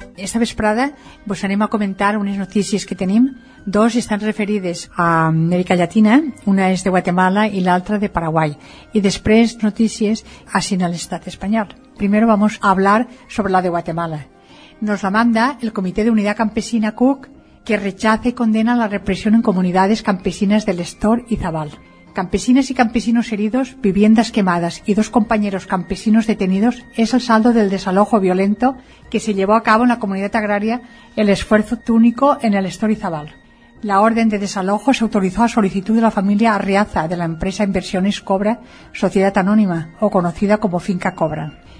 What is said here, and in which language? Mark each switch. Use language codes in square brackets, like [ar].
[ca] Aquesta vesprada vos anem a comentar unes notícies que tenim. Dos estan referides a Amèrica Llatina, una és de Guatemala i l'altra de Paraguai. I després notícies així a l'estat espanyol. [es] Primero vamos a hablar sobre la de Guatemala. Nos la manda el Comitè d'Unitat Campesina CUC, que rechaza i condena [ca] la repressió en comunitats campesines [es] de l'Estor i Zabal. Campesinas y campesinos heridos, viviendas quemadas y dos compañeros campesinos detenidos es el saldo del desalojo violento que se llevó a cabo en la comunidad agraria El Esfuerzo Túnico en el Estor y Zabal. La orden de desalojo se autorizó a solicitud de la familia Arriaza de la empresa Inversiones Cobra, sociedad anónima o conocida como Finca Cobra.